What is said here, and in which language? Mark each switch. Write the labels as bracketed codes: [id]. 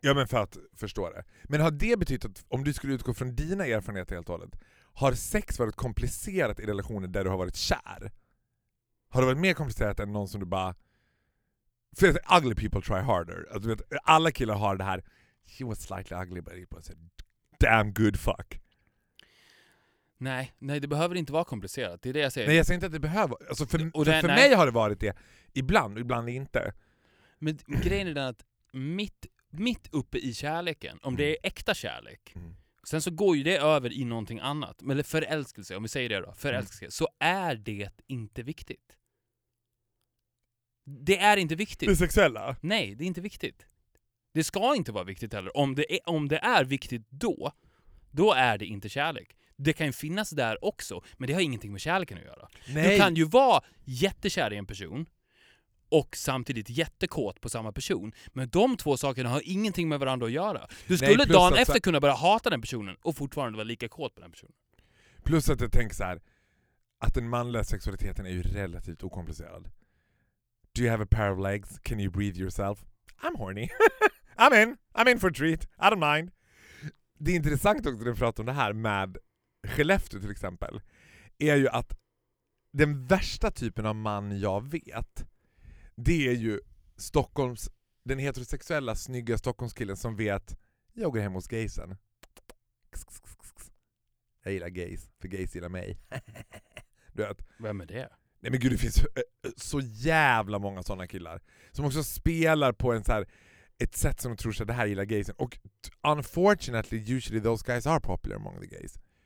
[sv] Ja, men för att förstå det. Men har det betytt att om du skulle utgå från dina erfarenheter helt och hållet, har sex varit komplicerat i relationer där du har varit kär? Har det varit mer komplicerat än någon som du bara... För [en] ugly people try harder. [sv] Alltså, alla killar har det här [en] she was slightly ugly, but it was a damn good fuck. [sv] Nej, nej, det behöver inte vara komplicerat. Det är det jag säger. Nej, jag säger inte att det behöver. Alltså för mig har det varit det. Ibland, ibland inte. Men grejen är den att mitt uppe i kärleken, om det är äkta kärlek, sen så går ju det över i någonting annat. Eller förälskelse, om vi säger det då. Förälskelse. Mm. Så är det inte viktigt. Det är inte viktigt. Det sexuella? Nej, det är inte viktigt. Det ska inte vara viktigt heller. Om det är viktigt då är det inte kärlek. Det kan ju finnas där också, men det har ingenting med kärleken att göra. Nej. Du kan ju vara jättekär i en person och samtidigt jättekåt på samma person, men de två sakerna har ingenting med varandra att göra. Du skulle dagen efter kunna börja hata den personen och fortfarande vara lika kåt på den personen. Plus att jag tänker så här, att den manliga sexualiteten är ju relativt okomplicerad. [en] Do you have a pair of legs? Can you breathe yourself? I'm horny. I'm in for a treat. I don't mind. [sv] Det är intressant också att du pratar om det här med Skellefteå till exempel, är ju att den värsta typen av man jag vet, det är ju Stockholms, den heterosexuella snygga Stockholmskillen som vet, jag går hem hos gaysen. Jag gillar gays, för gays gillar mig. Du vet. Vem är det? Nej men gud, det finns så jävla många sådana killar som också spelar på en så här, ett sätt som de tror sig att det här gillar gaysen. [en] Och unfortunately, usually those guys are popular among the gays.